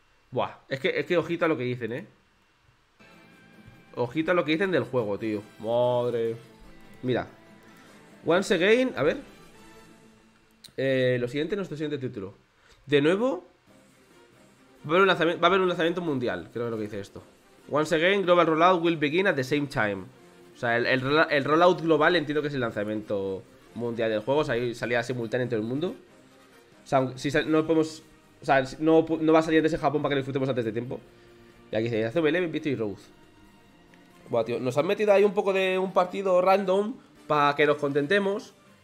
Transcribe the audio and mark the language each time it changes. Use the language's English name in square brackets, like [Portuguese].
[Spanish] Buah, es que ojito a lo que dicen, ¿eh? Ojito a lo que dicen del juego, tío. Madre. Mira, [English] once again, [Spanish] a ver, lo siguiente, nuestro siguiente título. De nuevo, va a haber un lanzamiento mundial, creo que es lo que dice esto. [English] Once again, global rollout will begin at the same time. [Spanish] O sea, el rollout global entiendo que es el lanzamiento mundial del juego, o sea, salía simultáneo en todo el mundo. O sea, si no podemos, o sea, no va a salir desde Japón para que lo disfrutemos antes de tiempo. Y aquí dice, ACB Eleven, Victory Road. Buah, tío, nos han metido ahí un poco de un partido random para que nos contentemos.